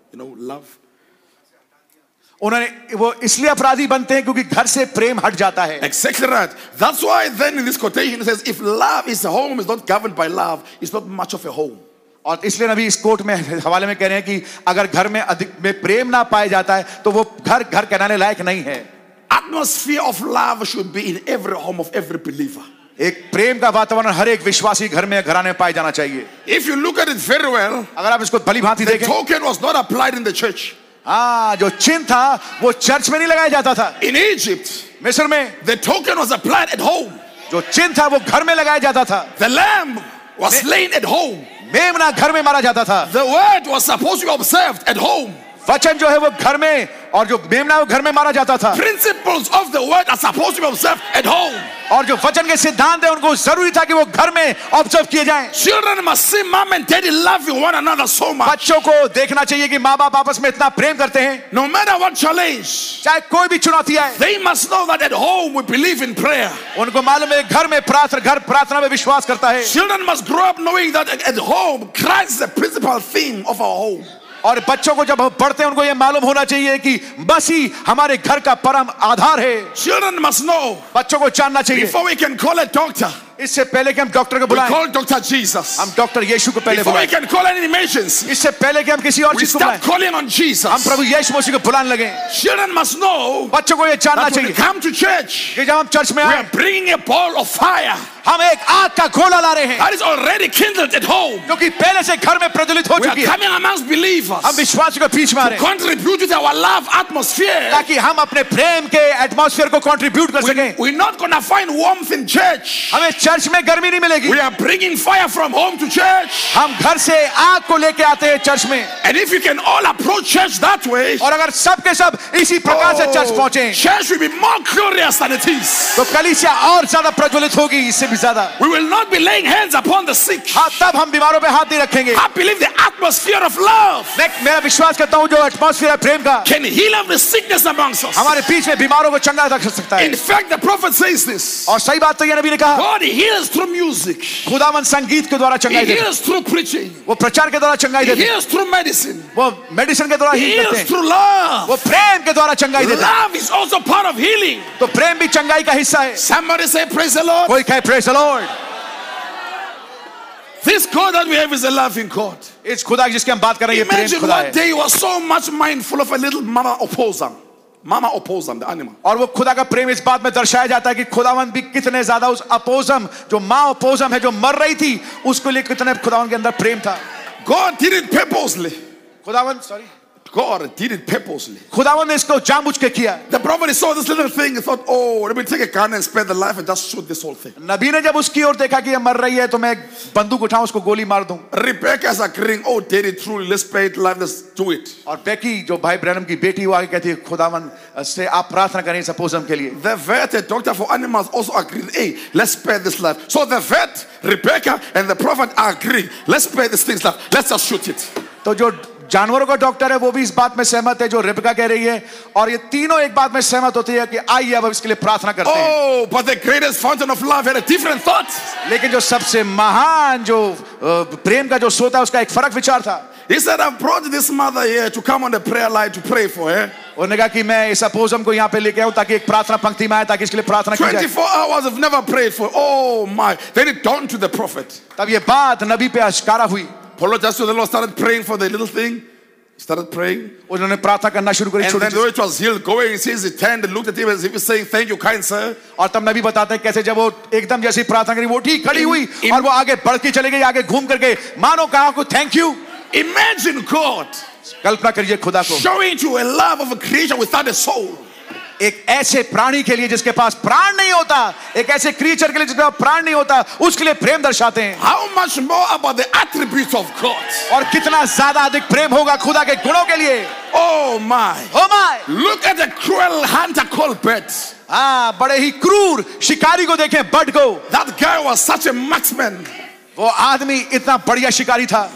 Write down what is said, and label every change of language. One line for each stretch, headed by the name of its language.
English: You know, love.
Hindi: उन्होंने वो इसलिए अपराधी बनते हैं क्योंकि घर से प्रेम हट जाता है.
English: Exactly right. That's why then in this quotation it says, if love is a home is not governed by love, it's not much of a home.
Hindi: और इसलिए नबी इस कोट में हवाले में कह रहे हैं कि अगर घर में अधिक में प्रेम ना पाया जाता है तो वो घर घर कहलाने लायक नहीं है.
English: Atmosphere of love should be in every home of every believer.
Hindi: एक प्रेम का वातावरण हर एक विश्वासी घर में घराने पाए जाना चाहिए.
English: If you look at it very well,
Hindi: अगर आप इसको भली भांति देखें,
English: the token was not applied in the church.
Hindi: जो चिन्ह था वो चर्च में नहीं लगाया जाता था.
English: In Egypt,
Hindi: मिस्र में,
English: the token was applied at home.
Hindi: जो चिन्ह था वो घर में लगाया जाता था.
English: The lamb was slain at home.
Hindi: मेमना घर में मारा जाता था.
English: The word was supposed to be observed at home.
Hindi: वचन जो है वो घर में और जो मेमना वो घर में मारा जाता था.
English: Principles of the word are supposed to be observed at home.
Hindi: और जो वचन के सिद्धांत है उनको जरूरी था कि वो घर में ऑब्जर्व किए जाएं.
English: Children must see mom and daddy loving one another so much.
Hindi: बच्चों को देखना चाहिए कि माँ बाप आपस में इतना प्रेम करते हैं.
English: No matter what challenge,
Hindi: चाहे कोई भी चुनौती आए,
English: they must know that at home we believe in prayer.
Hindi: उनको मालूम है घर में प्रार्थना, घर प्रार्थना में विश्वास करता है.
English: Children must grow up knowing that at home Christ is the principal theme of our home.
Hindi: और बच्चों को जब पढ़ते हैं उनको यह मालूम होना चाहिए कि मसीह हमारे घर का परम आधार है.
English: Children must know,
Hindi: बच्चों को जानना चाहिए.
English: Before we can call a doctor,
Hindi: इससे पहले कि हम डॉक्टर को बुलाएं,
English: we call Dr. Jesus.
Hindi: हम डॉक्टर यीशु को पहले बुलाएं.
English: Before we can call an emergency,
Hindi: इससे पहले कि हम किसी और चीज को बुलाएं,
English: we start calling on Jesus.
Hindi: हम प्रभु यीशु मसीह को बुलाने लगे.
English: Children must know,
Hindi: बच्चों को यह जानना चाहिए.
English: Come to church,
Hindi: कि जब हम चर्च में आए,
English: we are bringing a ball of fire.
Hindi: हम एक आग का गोला ला रहे हैं.
English: That is already kindled at home.
Hindi: क्योंकि पहले से घर में प्रज्वलित हो चुकी है.
English: We are coming amongst believers.
Hindi: हम विश्वासियों के बीच में आ रहे हैं.
English: To contribute to our love atmosphere.
Hindi: ताकि हम अपने प्रेम के एटमॉस्फेयर को कंट्रीब्यूट कर सकें.
English: We are not going to find warmth in church.
Hindi: हमें चर्च में गर्मी नहीं मिलेगी.
English: We are bringing fire from home to church.
Hindi: हम घर से आग को लेके आते हैं चर्च में.
English: And if you can all approach church that way,
Hindi: और अगर सब के सब इसी प्रकार से चर्च पहुंचें,
English: church will be more glorious than it is.
Hindi: तो कलीसिया और ज्यादा प्रज्वलित होगी इससे.
English: We will not be laying hands upon the sick.
Hindi: तब हम बीमारों पे हाथ नहीं रखेंगे.
English: I believe the atmosphere of love.
Hindi: मेरा विश्वास करता हूँ जो atmosphere है प्रेम का.
English: Can heal every sickness amongst us.
Hindi: हमारे बीच में बीमारों को चंगा रख सकता है.
English: In fact, the prophet says this.
Hindi: और सही बात तो ये नबी ने कहा.
English: God heals through music.
Hindi: खुदावन संगीत के द्वारा चंगाई देते हैं.
English: He heals through preaching.
Hindi: वो प्रचार के द्वारा चंगाई देते हैं.
English: He heals through medicine.
Hindi: वो मेडिसिन के द्वारा ही करते हैं.
English: He heals through love.
Hindi: वो प्रेम के द्वारा चंगाई देते हैं.
English: Love is also part of healing.
Hindi: तो प्रेम भी चंगाई का हिस्सा है.
English: Somebody say praise the Lord.
Hindi: कोई कहे
English: praise the Lord. This God that we have is a loving God.
Hindi: इस खुदा जिसके हम बात कर रहे हैं प्रेम खुदा है.
English: Imagine one day you are so much mindful of a little mama opossum. Mama opossum, the animal.
Hindi: और वो खुदा का प्रेम इस बात में दर्शाया जाता है कि खुदावन भी कितने ज्यादा उस opossum, जो माँ opossum है जो मर रही थी उसको लिए कितने खुदावन के अंदर प्रेम था.
English: God did it purposely.
Hindi: खुदावन sorry.
English: God did it purposely.
Hindi: खुदावन ने इसको जानबूझ के किया.
English: The prophet saw this little thing and thought, "Oh, let me take a gun and spare the life and just shoot this whole thing."
Hindi: नबी ने जब उसकी ओर देखा कि ये मर रही है, तो मैं बंदूक उठाऊं उसको गोली मार दूं.
English: Rebecca is agreeing, "Oh, daddy, truly, let's spare the life, let's do it."
Hindi: और बेकी जो भाई ब्रैनम की बेटी हुआ कहती है, खुदावन से आप प्रार्थना करें सपोज़म के लिए.
English: The vet, a doctor for animals, also agreed, "Hey, let's spare this life." So the vet, Rebecca, and the prophet agree, "Let's spare this thing's life. Let's just shoot it."
Hindi: तो जो जानवरों का डॉक्टर है वो भी इस बात में सहमत है जो रिबका कह रही है, और ये तीनों एक बात में सहमत होती है कि आइए अब इसके लिए प्रार्थना करते हैं.
English: Oh, but the greatest fountain of love had a different thought.
Hindi: लेकिन जो सबसे महान जो प्रेम का जो स्रोत है उसका एक फर्क विचार था.
English: He said, "I've brought this mother here to come on the prayer line to pray for her."
Hindi: उन्होंने कहा कि मैं इस अपोज़म को यहाँ पे लेके आऊँ ताकि एक प्रार्थना पंक्ति में आए ताकि इसके लिए प्रार्थना की जाए.
English: 24 hours I've never prayed for. Oh my! Then it dawned to the prophet.
Hindi: तब ये बात नबी पे आश्कारा हुई.
English: Polo just to the Lord started praying for the little thing. Started praying.
Hindi: उन्होंने प्रार्थना करना शुरू करी.
English: And then though it was healed, going, he sees his hand and looked at him as if he's saying, "Thank you, kind sir."
Hindi: और तब नबी बताते हैं कैसे जब वो एकदम जैसे प्रार्थना करी वो ठीक खड़ी हुई और वो आगे बढ़ के चले गई, आगे घूम करके मानो कहा को थैंक यू.
English: Imagine God.
Hindi: कल्पना करिए खुदा को.
English: Showing you a love of a creature without a soul.
Hindi: एक ऐसे प्राणी के लिए जिसके पास प्राण नहीं होता, एक ऐसे क्रिएचर के लिए जिसके पास प्राण नहीं होता, उसके लिए प्रेम दर्शाते हैं.
English: How much more about the attributes of God?
Hindi: और कितना ज्यादा अधिक प्रेम होगा खुदा के गुणों के लिए.
English: Oh my! Look at the cruel hunter called Bert.
Hindi: बड़े ही क्रूर शिकारी को देखें, बर्ट को.
English: That guy was such a marksman.
Hindi: वो आदमी इतना बढ़िया शिकारी था.